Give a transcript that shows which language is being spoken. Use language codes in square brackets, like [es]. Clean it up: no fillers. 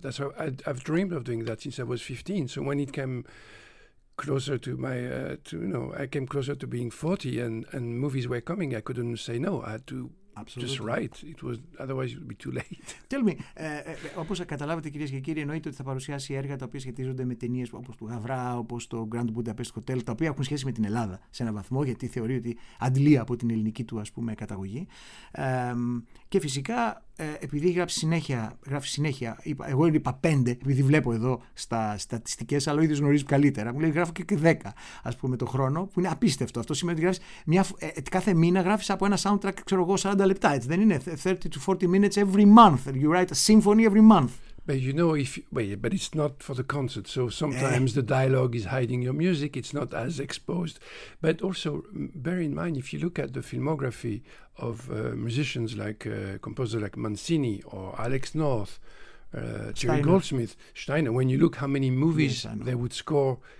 [en] That's what I've dreamed of doing that since I was 15. So when it came closer to my, I came closer to being 40 and movies were coming. I couldn't say no. I had to just write. It was, otherwise it would be too late. Tell me, [el] όπως καταλάβατε κυρίες και κύριοι, εννοείται ότι θα παρουσιάσει έργα τα οποία σχετίζονται με ταινίες όπως το Γαβρά, όπως το Grand Budapest Hotel, τα οποία έχουν σχέση με την Ελλάδα σε ένα βαθμό, γιατί θεωρεί ότι αντλεί από την ελληνική του, ας πούμε, καταγωγή. Και φυσικά, επειδή γράφει συνέχεια, εγώ είπα 5, επειδή βλέπω εδώ στα στατιστικές, αλλά ο ίδιος γνωρίζει καλύτερα. Μου λέει γράφω και 10, ας πούμε, το χρόνο, που είναι απίστευτο. Αυτό σημαίνει ότι γράφεις κάθε μήνα γράφεις από ένα soundtrack, ξέρω εγώ, 40 λεπτά. Έτσι δεν είναι? [en] 30 to 40 minutes every month. You write a symphony every month. But you know, but it's not for the concert. So sometimes the dialogue is hiding your music. It's not as exposed. But also, bear in mind, if you look at the filmography of musicians like composer like Mancini or Alex North, Jerry Goldsmith, Steiner, when you look how many movies they would score